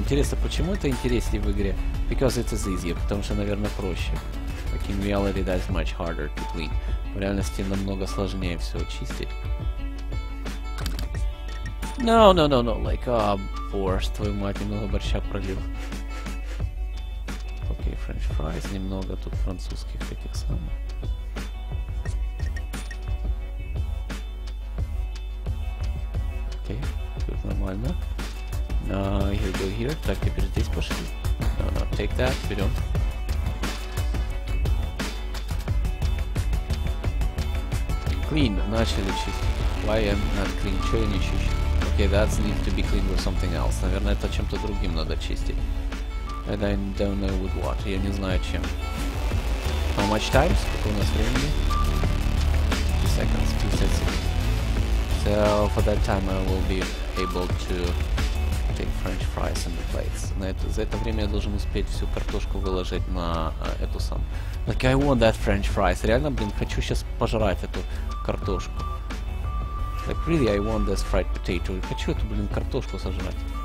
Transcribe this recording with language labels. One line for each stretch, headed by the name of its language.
Russian: Интересно, почему это интереснее в игре?
English: Because it is easier.
Russian: Потому что, наверное, проще.
English: Like in reality, that's much harder to clean.
Russian: В реальности намного сложнее все чистить.
English: No, like,
Russian: борщ, твою мать, немного борща пролил. Окей, френч фрайз, немного тут французских таких самых. Окей, тут нормально.
English: Here go here,
Russian: так, теперь здесь пошли.
English: No, no, take that,
Russian: берем. Clean, начали чистить.
English: Why am not clean?
Russian: Чё я не чищу?
English: Okay, that needs to be cleaned with something else.
Russian: Наверное, это чем-то другим надо чистить.
English: And I don't know with what.
Russian: Я не знаю чем.
English: How much time?
Russian: Сколько у нас времени?
English: 2 seconds, 2 seconds. So, for that time I will be able to take french fries in the plates.
Russian: На это, за это время я должен успеть всю картошку выложить на эту сам.
English: Like, I want that french fries.
Russian: Реально, блин, хочу сейчас пожрать эту картошку.
English: Like, really, I want this fried potato.
Russian: Хочу эту, блин, картошку сожрать.